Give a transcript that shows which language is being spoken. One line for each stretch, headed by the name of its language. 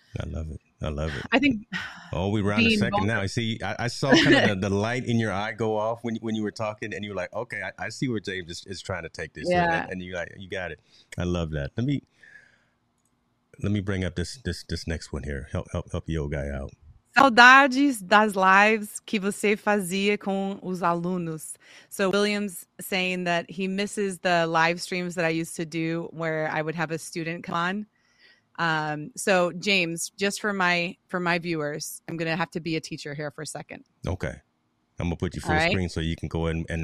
English: I love it. I love it. I think. Oh, we were on a second now. See, I saw kind of the light in your eye go off when you were talking, and you were like, okay, I see where James is trying to take this. Yeah. And you like, you got it. I love that. Let me bring up this next one here. Help the old guy out.
Portuguese: Saudades das lives que você fazia com os alunos.
English: So William's saying that he misses the live streams that I used to do where I would have a student come on. So James, just for my viewers, I'm going to have to be a teacher here for a second. Okay. I'm going to put you full right? screen so you can go in and